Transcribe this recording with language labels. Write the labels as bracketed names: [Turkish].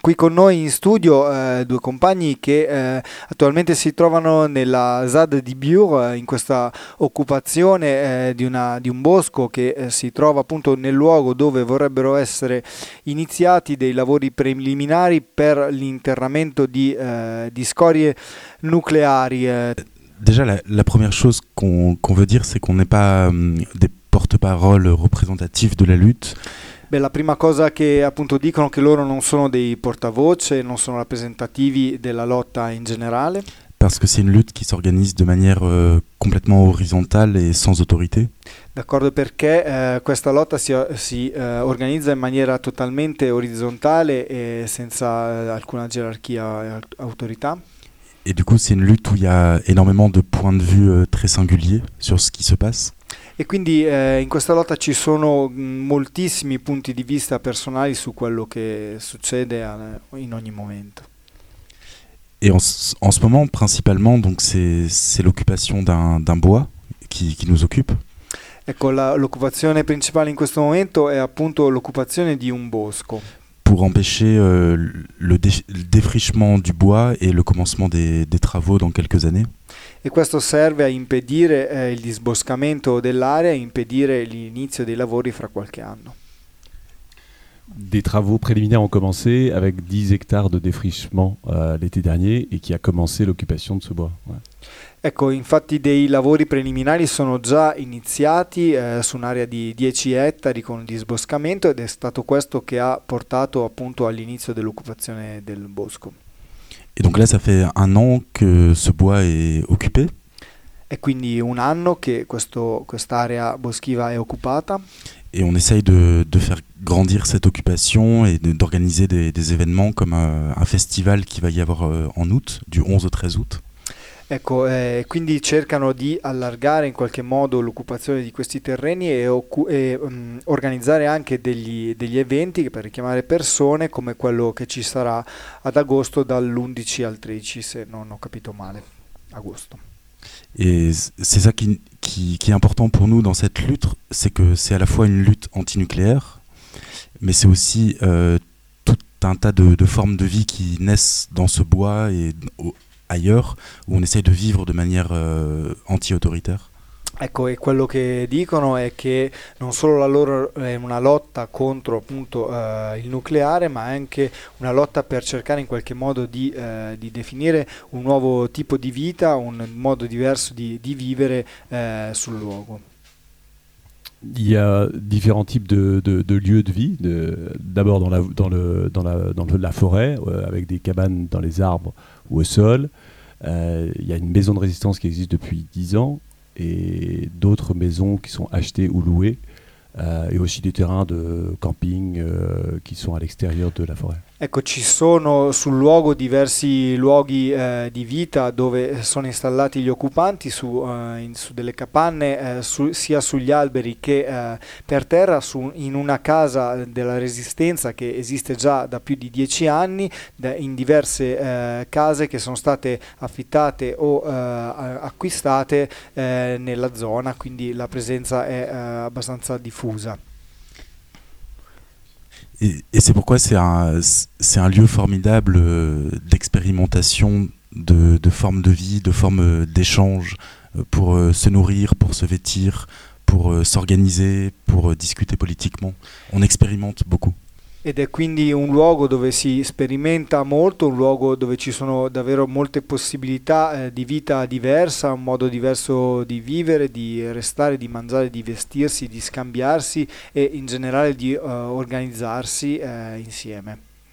[Italian] qui con noi in studio due compagni che attualmente si trovano nella ZAD di Biur, in questa occupazione di un bosco che si trova appunto nel luogo dove vorrebbero essere iniziati dei lavori preliminari per l'interramento di scorie nucleari. [French] Déjà, la première chose qu'on veut dire, c'est qu'on n'est pas des porte-parole représentatifs de la lutte. [Italian] Beh, la prima cosa che appunto dicono è che loro non sono dei portavoce, non sono rappresentativi della lotta in generale. [French] Parce que c'est une lutte qui s'organise de manière complètement horizontale et sans autorité. [Italian] D'accordo, perché questa lotta si organizza in maniera totalmente orizzontale e senza alcuna gerarchia e autorità. [French] Et du coup, c'est une lutte où il y a énormément de points de vue très singuliers sur ce qui se passe. [Italian] E quindi in questa lotta ci sono moltissimi punti di vista personali su quello che succede in ogni momento. [French] Et en ce moment, principalement, donc c'est l'occupation d'un bois qui nous occupe. [Italian] Ecco, l'occupazione principale in questo momento è appunto l'occupazione di un bosco. [French] Pour empêcher le défrichement du bois et le commencement des travaux dans quelques années. [Italian] E questo serve a impedire il disboscamento dell'area e impedire l'inizio dei lavori fra qualche anno. [French] Des travaux préliminaires ont commencé avec 10 hectares de défrichement l'été dernier et qui a commencé l'occupation de ce bois. Ouais. [Italian] Ecco, infatti dei lavori preliminari sono già iniziati su un'area di 10 ettari con il disboscamento ed è stato questo che ha portato appunto all'inizio dell'occupazione del bosco. [French] Et donc là, ça fait un an que ce bois est occupé. [Italian] È quindi un anno che quest'area boschiva è occupata. [French] Et on essaye de faire grandir cette occupation et d'organiser des événements comme un festival qui va y avoir en août, du 11 au 13 août. [Italian] Ecco, quindi cercano di allargare in qualche modo l'occupazione di questi terreni e organizzare anche degli eventi per richiamare persone, come quello che ci sarà ad agosto dall'11 al 13, se non ho capito male, agosto. [French] Et c'est ça qui est important pour nous dans cette lutte, c'est que c'est à la fois une lutte antinucléaire, mais c'est aussi tout un tas de formes de vie qui naissent dans ce bois et ailleurs, où on essaye de vivre de manière anti-autoritaire. [Italian] Ecco, e quello che dicono è che non solo la loro è una lotta contro appunto il nucleare, ma anche una lotta per cercare in qualche modo di definire un nuovo tipo di vita, un modo diverso di vivere sul luogo. [French] Il y a différents types de lieux de vie, d'abord dans la forêt, avec des cabanes dans les arbres ou au sol. Il y a une maison de résistance qui existe depuis 10 ans et d'autres maisons qui sont achetées ou louées, et aussi des terrains de camping, qui sont à l'extérieur de la forêt. [Italian] Ecco, ci sono sul luogo diversi luoghi di vita dove sono installati gli occupanti su delle capanne, sia sugli alberi che per terra, in una casa della Resistenza che esiste già da più di 10 anni, in diverse case che sono state affittate o acquistate nella zona, quindi la presenza è abbastanza diffusa. [French] Et c'est pourquoi c'est un lieu formidable d'expérimentation de formes de vie, de formes d'échange, pour se nourrir, pour se vêtir, pour s'organiser, pour discuter politiquement. On expérimente beaucoup. [Italian] Ed è quindi un luogo dove si sperimenta molto, un luogo dove ci sono davvero molte possibilità di vita diversa, un modo diverso di vivere, di restare, di mangiare, di vestirsi, di scambiarsi e in generale di organizzarsi insieme.